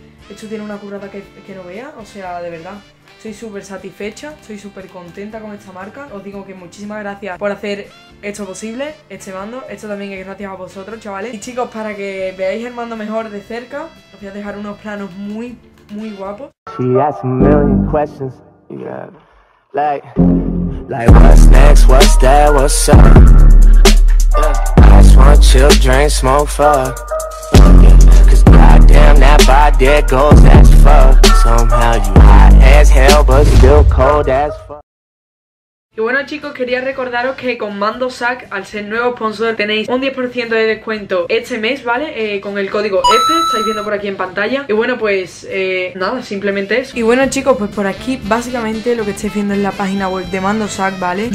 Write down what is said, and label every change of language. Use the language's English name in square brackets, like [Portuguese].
[Spanish] Esto tiene una currada que no vea, o sea, de verdad, soy súper satisfecha, soy súper contenta con esta marca. Os digo que muchísimas gracias por hacer esto posible, este mando. Esto también es gracias a vosotros, chavales. Y chicos, para que veáis el mando mejor de cerca, os voy a dejar unos planos muy, muy guapos. [English] She has a million questions. Yeah. Like what's next, what's that, what's up? Yeah. I just want chill, drink, smoke, fuck. Yeah. Cause goddamn that body goes as fuck. Somehow you hot as hell, but still cold as fuck. [Spanish] Y bueno, chicos, quería recordaros que con Mando Sack, al ser nuevo sponsor, tenéis un 10% de descuento este mes, ¿vale? Con el código EPE, estáis viendo por aquí en pantalla. Y bueno, pues nada, simplemente eso. Y bueno, chicos, pues por aquí básicamente lo que estáis viendo es la página web de Mando Sack, ¿vale?